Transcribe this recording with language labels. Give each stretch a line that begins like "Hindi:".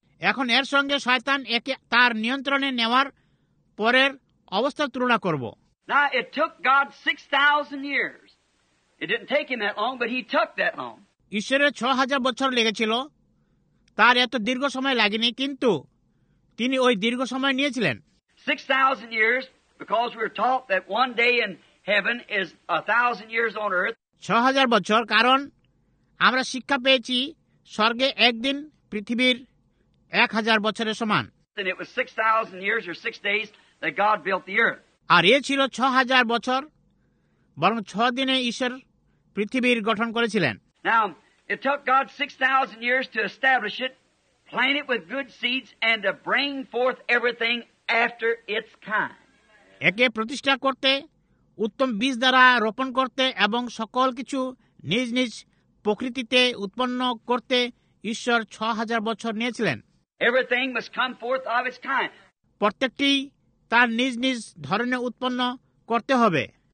Bangla: এখন এর সঙ্গে শয়তান একে তার নিয়ন্ত্রণে নেওয়ার পরের অবস্থা তুলনা করব।
English: Now, it took God 6,000 years. It didn't take him that long, but he took that long.
Bangla: ঈশ্বরের 6,000 বছর লেগেছিল, তার এত দীর্ঘ সময় লাগেনি, কিন্তু তিনি ওই দীর্ঘ সময় নিয়েছিলেন।
English: 6,000 years, because we're taught that one day in heaven is 1,000 years on earth.
Bangla: 6,000 বছর, কারণ আমরা শিক্ষা পেয়েছি স্বর্গে একদিন পৃথিবীর 1,000 বছরের সমান।
English: Then it was 6,000 years or 6 days that God built the earth.
Bangla: আর এ ছিল 6,000 বছর, বরং 6 দিনে ঈশ্বর পৃথিবীর গঠন করেছিলেন।
English: Now, it took God 6,000 years to establish it, plant it with good seeds, and to bring forth everything after its kind.
Bangla: একে প্রতিষ্ঠা করতে, উত্তম বীজ দ্বারা রোপণ করতে এবং সকল কিছু নিজ নিজ প্রকৃতিতে উৎপন্ন করতে ঈশ্বর 6,000 বছর নিয়েছিলেন।
English: Everything must come forth of its kind.
Bangla: প্রত্যেকটি তার নিজ নিজ ধরনে উৎপন্ন করতে হবে।